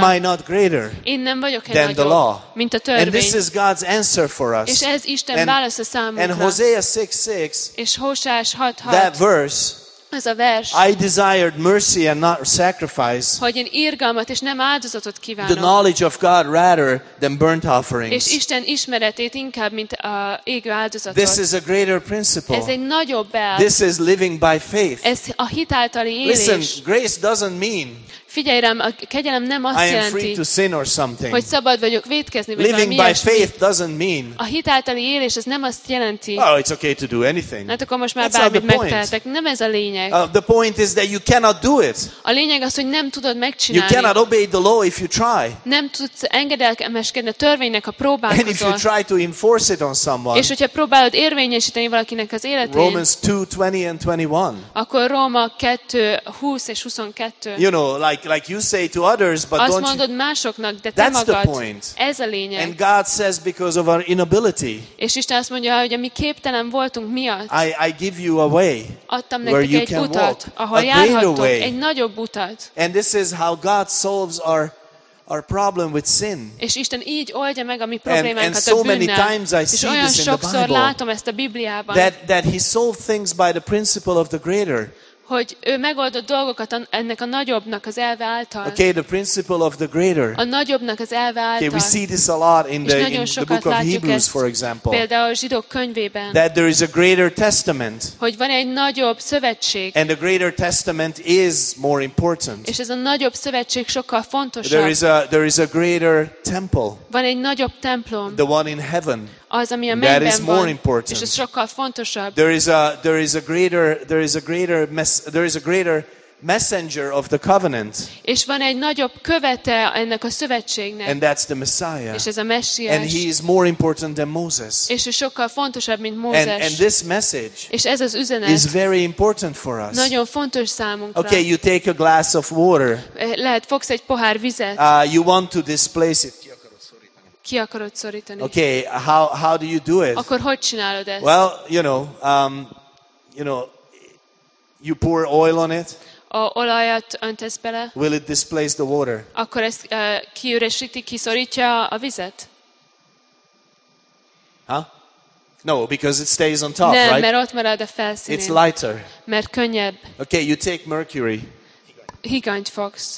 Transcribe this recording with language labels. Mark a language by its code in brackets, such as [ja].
[en] am I not greater [hu] én nem vagyok-e [en] than [hu] nagyobb, [en] the law? [hu] Mint a törvény. [en] And this is God's answer for us. [hu] És ez Isten válasza számunkra. [en] And Hosea 6:6, [hu] és Hósás 6:6, [en] that verse, [hu] ez a vers, [en] I desired mercy and not sacrifice, [hu] hogy én irgalmat és nem áldozatot kívánok, [en] the knowledge of God rather than burnt offerings, [hu] és Isten ismeretét inkább, mint a égő áldozatot. [en] This is a greater principle. [hu] Ez egy nagyobb elv. [en] This is living by faith. [hu] Ez a hit általi élés. [en] Listen, grace doesn't mean, [hu] figyelj rám, a kegyelem nem azt [en] I am [hu] jelenti, [en] free to sin or something. [hu] Hogy szabad vagyok vétkezni, vagy [en] living [hu] valami [en] by faith doesn't mean, [hu] a hit általi élés ez nem azt jelenti, [en] oh, it's okay to do anything. [hu] Hát akkor most már bármit megtehetek. Nem ez a lényeg. [en] The point is that you cannot do it. [hu] A lényeg az, hogy nem tudod megcsinálni. [en] You cannot obey the law if you try. [hu] Nem tudsz engedelmeskedni a törvénynek, ha próbálkozol. [en] And if you try to enforce it on someone, [hu] és hogyha próbálod érvényesíteni valakinek az életén, [en] Romans 2:20 and 21. [hu] Akkor Róma 2:20 és 22. [en] You know, like you say to others, but [hu] azt [en] don't [hu] mondod [en] you, [hu] másoknak, de te [en] that's [hu] magad. [en] That's the point. [hu] Ez a lényeg. [en] And God says because of our inability. [hu] És Isten azt mondja, hogy mi képtelen voltunk miatt. [en] I give you a way. [hu] Adtam nektek egy utat, ahol járhattok, egy nagyobb utat. [en] And this is how God solves our problem with sin. [hu] És Isten így oldja meg a mi problémánkat a bűnnel. És olyan sokszor látom ezt a Bibliában. [en] That he solved things by the principle of the greater. [hu] Hogy ő megoldott dolgokat ennek a nagyobbnak az elve által. [en] Okay, the principle of the greater. [hu] A nagyobbnak az elve által. [en] Okay, we see this a lot in the book of Hebrews, for example. [hu] Például a zsidók könyvében. [en] That there is a greater testament. [hu] Hogy van egy nagyobb szövetség. [en] And the greater testament is more important. [hu] És ez a nagyobb szövetség sokkal fontosabb. [en] There is a greater temple. [hu] Van egy nagyobb templom. [en] The one in heaven. [hu] Az, ami a mennyben [en] that is [hu] van, [en] more important. [hu] És ez sokkal fontosabb. [en] There is a greater messenger of the covenant. [hu] És van egy nagyobb követe ennek a szövetségnek. [en] And that's the Messiah. [hu] És ez a Messiás. [en] And he is more important than Moses. [hu] És ő sokkal fontosabb, mint Mózes. [en] And this message, [hu] és ez az üzenet, [en] is very important for us. [hu] Nagyon fontos számunkra. [en] Okay, you take a glass of water. [hu] Lehet, fogsz egy pohár vizet. [en] You want to displace it. [hu] Ki akarod szorítani? [en] Okay, how do you do it? [hu] Akkor hogy csinálod ezt? [en] Well, you know, you pour oil on it. [hu] A olajat öntesz bele. [en] Will it displace the water? [hu] Akkor ezt kiüresíti, kiszorítja a vizet? [en] Huh? No, because it stays on top, [hu] nem, Nem, mert ott marad a felszínén. [en] It's lighter. [hu] Mert könnyebb. [en] Okay, you take mercury. [hu] Higanyt fogsz.